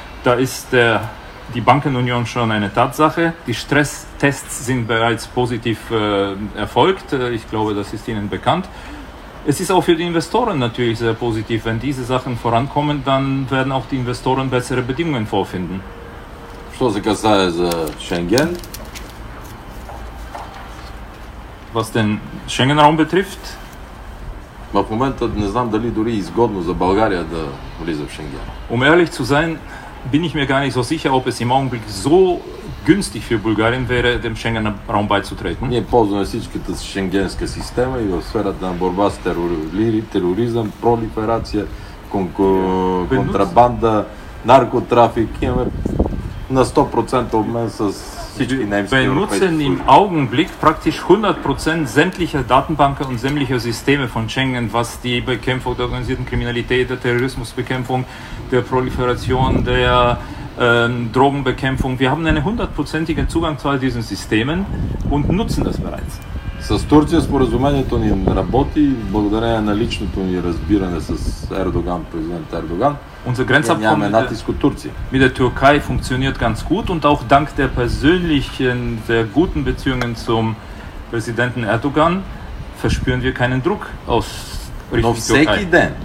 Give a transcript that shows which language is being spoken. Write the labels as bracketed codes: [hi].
[de] da ist der, die Bankenunion schon eine Tatsache. Die Stresstests sind bereits positiv erfolgt. Ich glaube, das ist Ihnen bekannt. Es ist auch für die Investoren natürlich sehr positiv. Wenn diese Sachen vorankommen, dann werden auch die Investoren bessere Bedingungen vorfinden. [bg] Что касается Schengen? [de] Was den Schengen-Raum betrifft? [bg] В момента не знам дали дори изгодно за България да влиза в Шенген. [de] Um ehrlich zu sein, bin ich mir gar nicht so sicher, ob es im Augenblick so günstig für Bulgarien wäre, dem Schengen-Raum beizutreten. [bg] Ние ползваме всичката шенгенска система и в сферата на борба с тероризъм, пролиферация, контрабанда, наркотрафик. Имаме на 100% обмен с [de] Wir benutzen im Augenblick praktisch 100% sämtlicher Datenbanken und sämtlicher Systeme von Schengen, was die Bekämpfung der organisierten Kriminalität, der Terrorismusbekämpfung, der Proliferation, der Drogenbekämpfung. Wir haben einen 100%igen Zugang zu all diesen Systemen und nutzen das bereits. [bg] С Турция споразумението ни работи благодарение на личното ни разбиране с Ердоган, президент Ердоган. [de] Unser Grenzabkommen mit der Türkei funktioniert ganz gut und auch dank der persönlichen, der guten Beziehungen zum Präsidenten Erdogan verspüren wir keinen Druck aus Richtung Türkei.